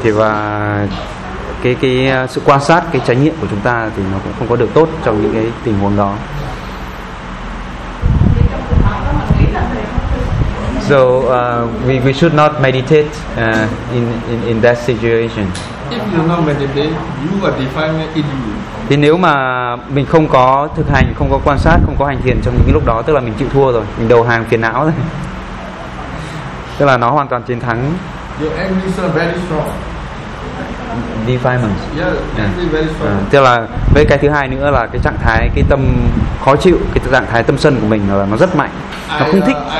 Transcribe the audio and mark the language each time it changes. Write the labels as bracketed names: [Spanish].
[Vietnamese] Thì và cái sự quan sát, cái trải nghiệm của chúng ta thì nó cũng không có được tốt trong những cái tình huống đó. [English] So we should not meditate in that situation. If you not meditate, you are defining it you. [Vietnamese] Thì nếu mà mình không có thực hành, không có quan sát, không có hành thiền trong những lúc đó, tức là mình chịu thua rồi, mình đầu hàng phiền não rồi. Tức là nó hoàn toàn chiến thắng. [English] Your enemies are very strong. Defilements. Yeah. [Vietnamese] Tức là với cái thứ hai nữa là cái trạng thái cái tâm khó chịu, cái trạng thái tâm sân của mình là nó rất mạnh, nó không thích.